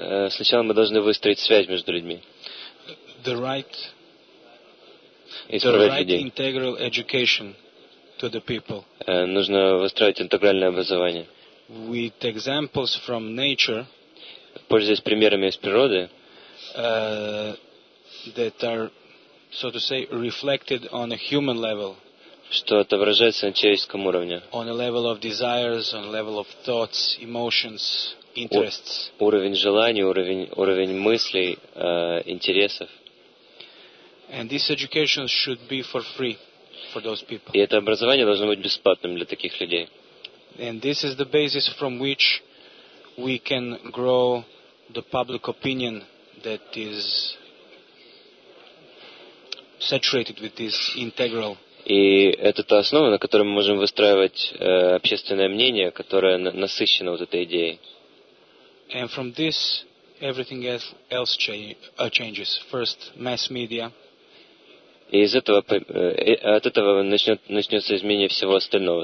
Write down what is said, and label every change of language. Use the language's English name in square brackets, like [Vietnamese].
[Russian] Сначала мы должны выстроить связь между людьми. [English] The right integral education. To the people. [Russian] Нужно выстраивать интегральное образование. [English] With examples from nature, [Russian] пользуясь примерами из природы, [English] that are, so to say, reflected on a human level, [Russian] что отображается на человеческом уровне. [English] On a level of desires, on a level of thoughts, emotions, interests. [Russian] Уровень желаний, уровень мыслей, интересов. [English] And this education should be for free. For those people. [Russian] И это образование должно быть бесплатным для таких людей. [English] And this is the basis from which we can grow the public opinion that is saturated with this integral. [Russian] И это та основа, на которой мы можем выстраивать общественное мнение, которое насыщено вот этой идеей. [English] And from this everything else changes. First, mass media. [Russian] И из этого, от этого начнется изменение всего остального.